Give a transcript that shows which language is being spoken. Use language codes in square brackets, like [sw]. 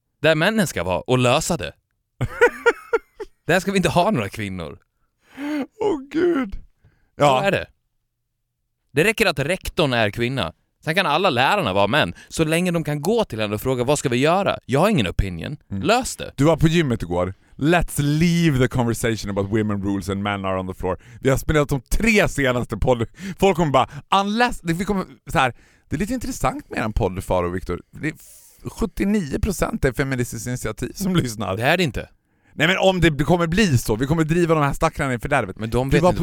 [sv] Där männen ska vara och lösa det. Där ska vi inte ha några kvinnor. Åh oh, gud. Ja. Så är det. Det räcker att rektorn är kvinna. Sen kan alla lärarna vara män. Så länge de kan gå till henne och fråga vad ska vi göra? Jag har ingen opinion. Mm. Lös det. Du var på gymmet igår. [en] Let's leave the conversation about women rules and men are on the floor. [sv] Vi har spelat de tre senaste podden. Folk kommer bara, unless... Vi kommer, så här, det är lite intressant med en podd, Faro, Victor. Det är 79% är feministiskt initiativ som lyssnar. Det är det inte. Nej, men om det kommer bli så. Vi kommer driva de här stackarna in fördärvet. Men de vet inte